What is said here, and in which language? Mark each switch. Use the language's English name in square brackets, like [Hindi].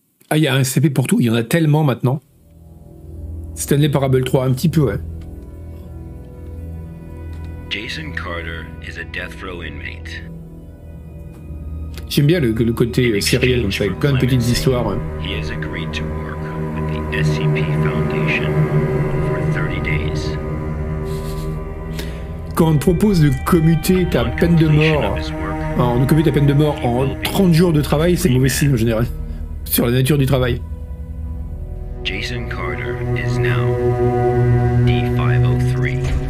[French] Ah, il y a un CP pour tout. Il y en a tellement maintenant. Stanley Parable 3, un petit peu, ouais. [English] Jason Carter is a death row inmate. [French] J'aime bien le côté sériel, donc ça avec plein de petites histoires. [English] He has agreed to work with the SCP Foundation for 30 days. [French] Quand on te propose de commuter ta peine de mort. On a commis ta peine de mort en 30 jours de travail, c'est mauvais signe en général, sur la nature du travail. [English] Jason Carter is now D503.